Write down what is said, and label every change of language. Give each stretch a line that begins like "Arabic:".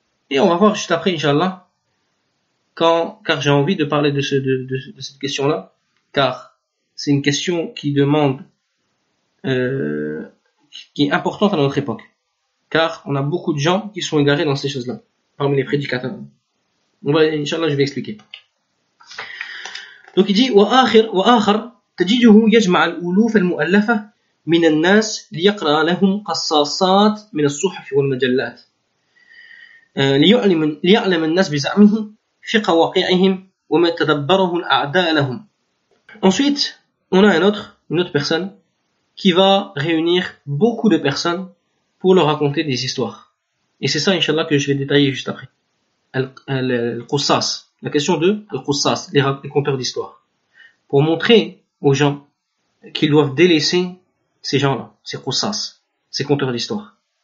French: Et on va voir juste après, inshallah, car j'ai envie de parler de cette question-là. Car c'est une question qui demande, qui est importante à notre époque. Car on a beaucoup de gens qui sont égarés dans ces choses-là, parmi les prédicateurs. On va, Inch'Allah, je vais expliquer. Donc il dit,
Arabic: وَآخر تجده يجمع الألوف المؤلفة من الناس ليقرأ لهم قصاصات من الصحف والمجلات ليعلم الناس بزعمه فقه واقعهم وما تدبره الأعداء لهم.
French: Ensuite, on a une autre personne qui va réunir beaucoup de personnes pour leur raconter des histoires. Et c'est ça, Inch'Allah, que je vais détailler juste après. Al-Qussas. La question de Al-Qussas, les conteurs d'histoires. Pour montrer aux gens qu'ils doivent délaisser ces gens-là, ces Qussas, ces conteurs d'histoires.